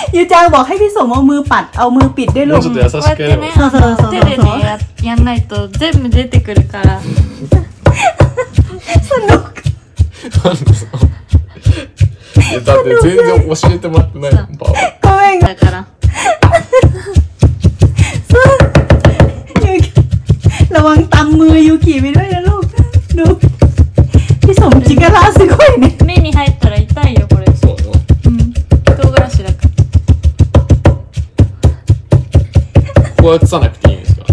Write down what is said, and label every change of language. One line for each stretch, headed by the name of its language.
Japanese: ゆうちゃん、もう、はい、ピソ、もう、手、パッ、あ、手、ピッ、で、ロング。もうちょっと優しく。そうそうそう。手でね、やんないと全部出てくるから。そんな。だって全然教えてもらってない。ごめん。だから。そう。
Thai: ゆうき、ระวังตำมือゆうきไปด้วยนะลูก。ลูก。
Japanese: 力すごいね。目に入ったら痛いよこれ。そうなの。うん。唐辛子だから。ここは映さなくていいんですか。